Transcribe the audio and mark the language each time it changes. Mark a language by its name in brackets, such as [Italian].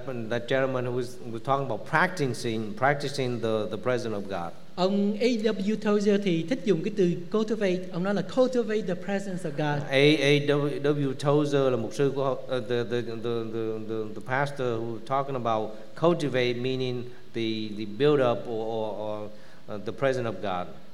[English] That gentleman who was talking about practicing the presence of God. [Vietnamese] Ông A.W. Tozer thì thích dùng cái từ cultivate. Ông nói là [English] cultivate the presence of God. [Vietnamese] A.W. [English] Tozer [Vietnamese] là mục sư của [English] the pastor who was talking about cultivate, meaning the build up or the presence of God.